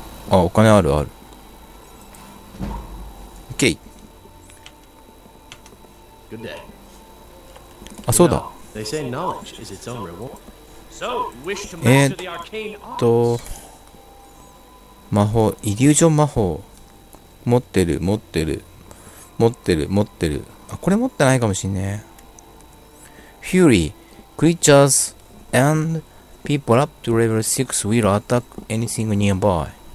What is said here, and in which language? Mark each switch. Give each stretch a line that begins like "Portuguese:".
Japanese: あ、お金あるある。オッケー。
English: Good day.
Japanese: あ、そうだ。
English: They say knowledge is its own reward. So, wish to master the arcane arts.
Japanese: 魔法、イリュージョン魔法。持ってる、持ってる。持ってる、持ってる。あ、これ持ってないかもしんね。
English: Fury, creatures and people up to level 6 will attack anything nearby.